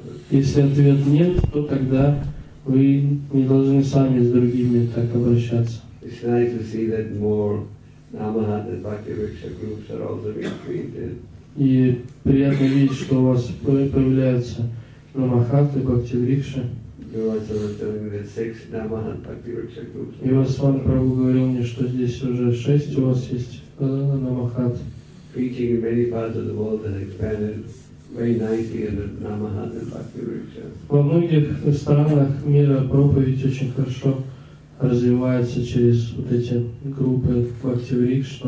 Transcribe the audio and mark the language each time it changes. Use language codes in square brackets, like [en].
[ru] Если ответ нет, то тогда вы не должны сами с другими так обращаться. [en] It's nice to see that more Namahat and Bhakti Riksha groups are also being created. [ru] И приятно видеть, что у вас появляются Намахат и Бхакти Рикша. И у вас Ван Прабху говорил мне, что здесь уже шесть у вас есть Казана Намахат. [en] Preaching in many parts of the world has expanded very nicely under Namahat and Bhakti Riksha. [ru] Во многих странах мира проповедь очень хорошо развивается через вот эти группы Бхакти Рикша,